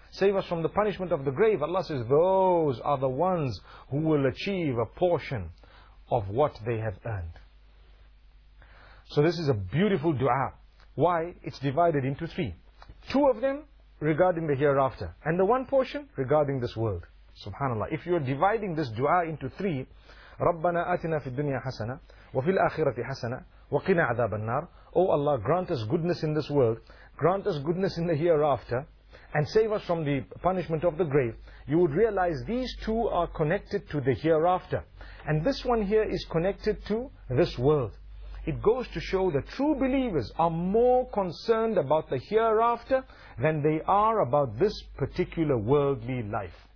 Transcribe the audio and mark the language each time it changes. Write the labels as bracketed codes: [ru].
[en] Save us from the punishment of the grave. Allah says, those are the ones who will achieve a portion of what they have earned. So this is a beautiful dua. Why? It's divided into three. Two of them regarding the hereafter, and the one portion regarding this world. Subhanallah. If you're dividing this dua into three, [ar] رَبَّنَا آتِنَا فِي الدُّنْيَا حَسَنًا وَفِي الْآخِرَةِ حَسَنًا وَقِنَا عَذَابَ النَّارِ. [en] Oh Allah, grant us goodness in this world, grant us goodness in the hereafter, and save us from the punishment of the grave. You would realize these two are connected to the hereafter. And this one here is connected to this world. It goes to show that true believers are more concerned about the hereafter than they are about this particular worldly life.